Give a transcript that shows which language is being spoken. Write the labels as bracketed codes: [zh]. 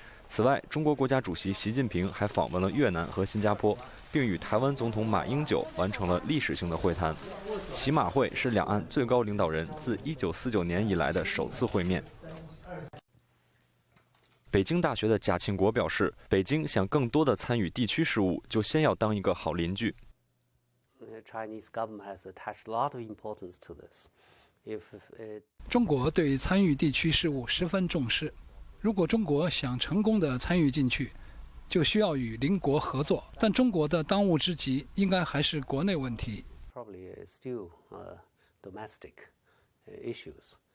[zh] 此外，中国国家主席习近平还访问了越南和新加坡，并与台湾总统马英九完成了历史性的会谈。习马会是两岸最高领导人自1949年以来的首次会面。北京大学的贾庆国表示，北京想更多的参与地区事务，就先要当一个好邻居。 [en] Chinese government has attached a lot of importance to this. If [zh] 中国对参与地区事务十分重视，如果中国想成功的参与进去，就需要与邻国合作。但中国的当务之急应该还是国内问题。 [en] Probably still domestic issues.